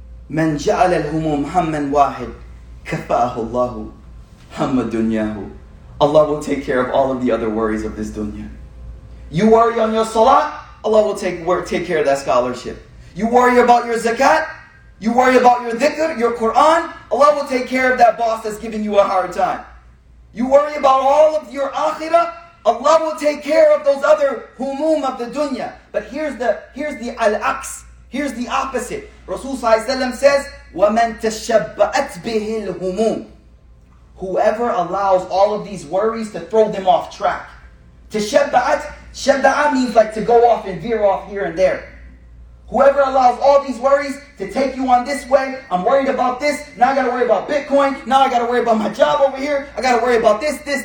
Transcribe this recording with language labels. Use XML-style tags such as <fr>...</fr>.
<ar>من جعل الهموم هما واحد كفاه الله هم دنياه.</ar> <en>Allah will take care of all of the other worries of this dunya. You worry on your salat, Allah will take care of that scholarship. You worry about your zakat, you worry about your dhikr, your Quran, Allah will take care of that boss that's giving you a hard time. You worry about all of your akhirah, Allah will take care of those other humum of the dunya. But here's the al-aqs, here's the opposite.</en> <ar>Rasulullah ﷺ says, وَمَن تَشَبَّأَتْ بِهِ الْهُمُومِ.</ar> <en>Whoever allows all of these worries to throw them off track. تَشَبَّأَتْ, شَبَّأَ means like to go off and veer off here and there. Whoever allows all these worries to take you on this way, I'm worried about this, now I gotta worry about Bitcoin, now I gotta worry about my job over here, I gotta worry about this.</en>